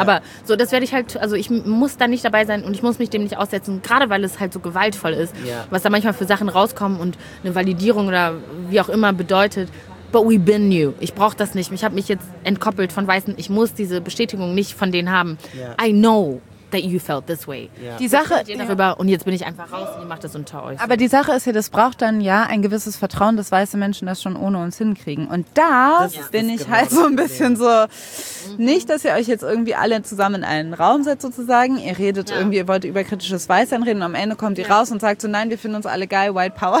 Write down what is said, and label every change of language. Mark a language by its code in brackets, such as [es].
[de] Aber so, das werde ich halt, also ich muss da nicht dabei sein und ich muss mich dem nicht aussetzen, gerade weil es halt so gewaltvoll ist, yeah, was da manchmal für Sachen rauskommen und eine Validierung oder wie auch immer bedeutet. [en] But we've been new. [de] Ich brauche das nicht. Ich habe mich jetzt entkoppelt von Weißen. Ich muss diese Bestätigung nicht von denen haben. [en] Yeah. I know that you felt this way. [de] Yeah. Die Sache, ich darüber, ja. Und jetzt bin ich einfach raus und ihr macht das unter euch. Aber die Sache ist ja, das braucht dann ja ein gewisses Vertrauen, dass weiße Menschen das schon ohne uns hinkriegen. Und da bin ich halt so ein bisschen so, nicht, dass ihr euch jetzt irgendwie alle zusammen in einen Raum setzt sozusagen. Ihr redet irgendwie, ihr wollt über kritisches Weißsein reden und am Ende kommt ihr raus und sagt so, nein, wir finden uns alle geil, White Power.